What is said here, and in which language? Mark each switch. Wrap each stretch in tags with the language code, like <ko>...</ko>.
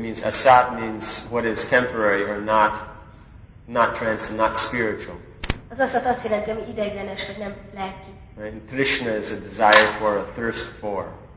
<en>means asat means what is temporary or not transcendent, not spiritual.</en> <hu>Az asat azt jelenti, ami ideiglenes, vagy nem lelki.</hu> <en>And krishna is a desire for, a thirst for.</en>